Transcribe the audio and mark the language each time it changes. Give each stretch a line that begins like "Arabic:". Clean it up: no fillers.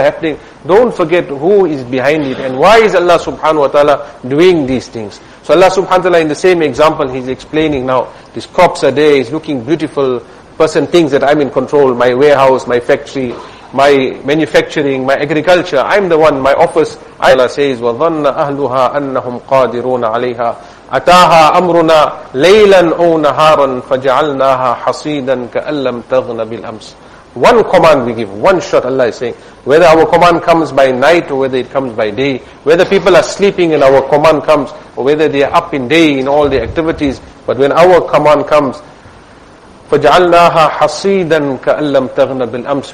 English: happening, don't forget who is behind it and why is Allah subhanahu wa ta'ala doing these things. So Allah subhanahu wa ta'ala, in the same example, he's explaining now, these crops are there, it's looking beautiful. Person thinks that I'm in control, my warehouse, my factory, my manufacturing, my agriculture, I'm the one, my office. Allah says,
Arabic: وَظَنَّ أَهْلُهَا أَنَّهُمْ قَادِرُونَ عَلَيْهَا أَتَاهَا أَمْرُنَا لَيْلًا أَوْ نَهَارًا فَجَعَلْنَاهَا حَصِيدًا كَأَن لَّمْ تَغْنَ بِالْأَمْسِ.
English: One command we give, one shot, Allah is saying, whether our command comes by night or whether it comes by day, whether people are sleeping and our command comes, or whether they are up in day in all the activities, but when our command comes,
Arabic: فَجَعَلْنَاهَا حَصِيدًا كَأَن لَّمْ تَغْنَ بِالْأَمْسِ.